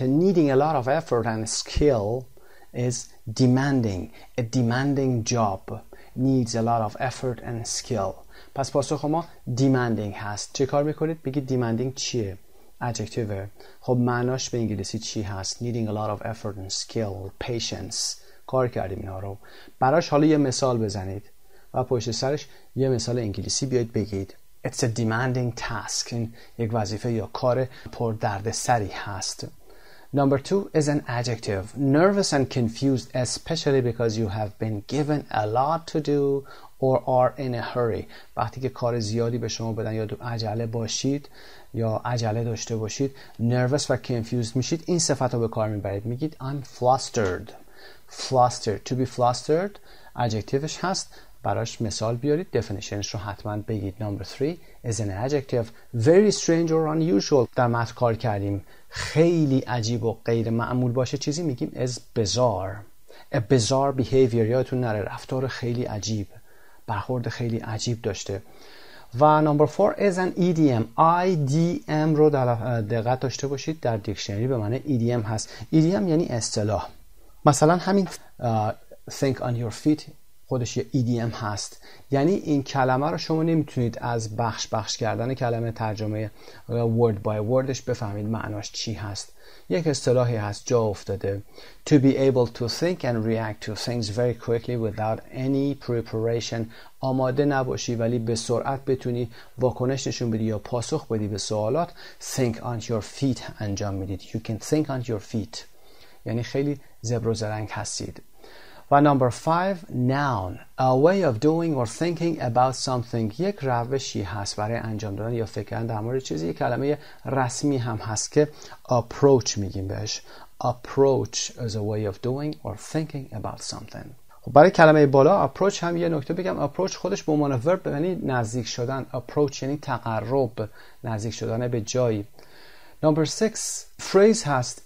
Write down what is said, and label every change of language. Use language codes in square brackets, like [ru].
[en] Needing a lot of effort and skill is demanding. A demanding job needs a lot of effort and skill. [fa] پس پاسخ ما demanding هست. چه کار میکنید؟ بگید demanding چیه؟ Adjective. خب معناش به انگلیسی چی هست؟ [en] Needing a lot of effort and skill. [fa] Patience. کار کردیم اینا رو. براش حالا یه مثال بزنید و پشت سرش یه مثال انگلیسی بیاید بگید. [en] It's a demanding task. [fa] این یک وظیفه یا کار پر درد سری هست. [en] Number 2 is an adjective. Nervous and confused, especially because you have been given a lot to do or are in a hurry. [fa] وقتی که کار زیادی به شما بدن یا عجله باشید یا عجله داشته باشید، nervous و confused میشید. این صفت رو به کار میبرید. [en] میگید I'm flustered. Flustered. To be flustered adjective-ش هست. [fa] براش مثال بیارید، دفینیشنش رو حتما بگید. [en] Number 3 is an adjective. Very strange or unusual. [fa] در متن کار کردیم. خیلی عجیب و غیر معمول باشه چیزی میگیم [en] is bizarre. A bizarre behavior. [fa] یادتون نره رفتار خیلی عجیب، برخورد خیلی عجیب داشته. [en] و number 4 is an idiom. [fa] IDM رو در دقت داشته باشید، در دیکشنری به معنی idiom هست. idiom یعنی اصطلاح. مثلا همین think on your feet خودش یه idiom هست، یعنی این کلمه رو شما نمیتونید از بخش بخش کردن کلمه ترجمه word by wordش بفهمید معناش چی هست. یک اصطلاحی هست جا افتاده. [en] To be able to think and react to things very quickly without any preparation. [fa] آماده نباشی ولی به سرعت بتونی واکنش نشون بدی یا پاسخ بدی به سوالات. [en] Think on your feet [fa] انجام میدید. [en] You can think on your feet. [fa] یعنی خیلی زبر و زرنگ هستید. [en] و number 5, noun. A way of doing or thinking about something. [fa] یک روشی هست برای انجام دادن یا فکر کردن در مورد چیزی. یک کلمه رسمی هم هست که approach میگیم بهش. [en] Approach is a way of doing or thinking about something. [fa] خب برای کلمه بالا approach هم یه نکته بگم. Approach خودش به عنوان verb یعنی نزدیک شدن. Approach یعنی تقرب، نزدیک شدن به جایی. [en] Number 6, phrase هست.